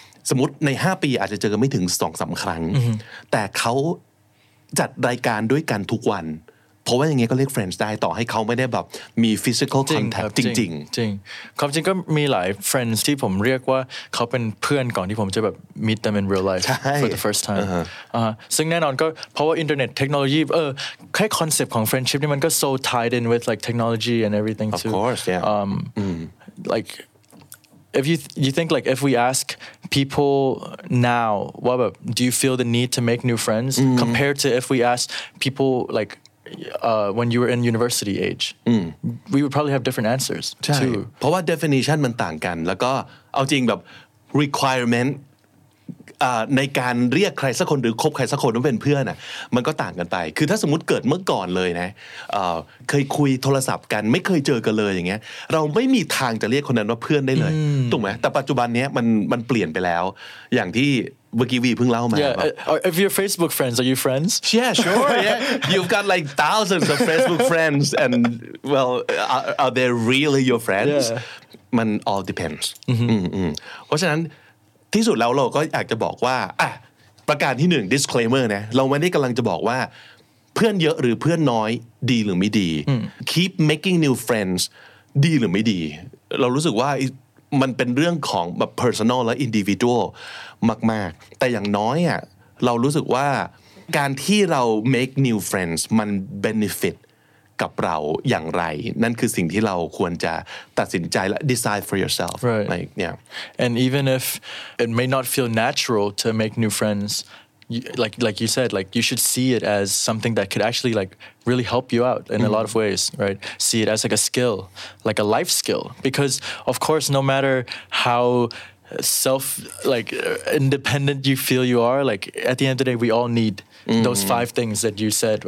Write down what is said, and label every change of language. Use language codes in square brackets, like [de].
[th] สมมติใน5ปีอาจจะเจอกันไม่ถึง 2-3 ครั้งแต่เขาจัดรายการด้วยกันทุกวันเพราะว่าอย่างเงี้ยก็เรียกเฟรนด์ได้ต่อให้เขาไม่ได้แบบมีฟิสิคอลคอนแทคจริง ๆจริงความจริงก็มีหลายเฟรนด์ที่ผมเรียกว่าเขาเป็นเพื่อนก่อนที่ผมจะแบบ [en] meet them in real life for the first time [th] ซึ่งแน่นอนก็เพราะว่าอินเทอร์เน็ตเทคโนโลยีแค่คอนเซปต์ของเฟรนด์ชิพนี่มันก็ [en] so tied in with like technology and everything too of course yeah like if you think like if we ask people now what about do you feel the need to make new friends compared to if we ask people likewhen you were in university age we would probably have different answers too [th] เพราะว่า definition มันต่างกันแล้วก็เอาจริงแบบ requirement ในการเรียกใครสักคนหรือคบใครสักคนว่าเป็นเพื่อนน่ะมันก็ต่างกันไปคือถ้าสมมติเกิดเมื่อก่อนเลยนะเคยคุยโทรศัพท์กันไม่เคยเจอกันเลยอย่างเงี้ยเราไม่มีทางจะเรียกคนนั้นว่าเพื่อนได้เลยถูกมั้ยแต่ปัจจุบันเนี้ยมันเปลี่ยนไปแล้วอย่างที่เมื่อกี้วีเพิ่งเล่ามา แบบ [en] if you're Facebook friends are you friends yeah sure yeah you've got like thousands of Facebook friends and well are they really your friends yeah. [th] มัน [en] all depends mm-hmm. [th] เพราะฉะนั้นที่สุดแล้วเราก็อยากจะบอกว่าอ่ะประการที่หนึ่ง disclaimer นะเราไม่ได้กำลังจะบอกว่าเพื่อนเยอะหรือเพื่อนน้อยดีหรือไม่ดี [en] keep making new friends [th] ดีหรือไม่ดีเรารู้สึกว่ามันเป็นเรื่องของแบบ personal และ individual มากๆแต่อย่างน้อยอ่ะเรารู้สึกว่าการที่เรา [en] make new friends [th] มัน benefit กับเราอย่างไรนั่นคือสิ่งที่เราควรจะตัดสินใจและ [en] decide for yourself right. like yeah and even if it may not feel natural to make new friends like you said like you should see it as something that could actually like really help you out in a lot of ways right see it as like a skill like a life skill because of course no matter how self like independent you feel you are like at the end of the day we all needthose five things that you said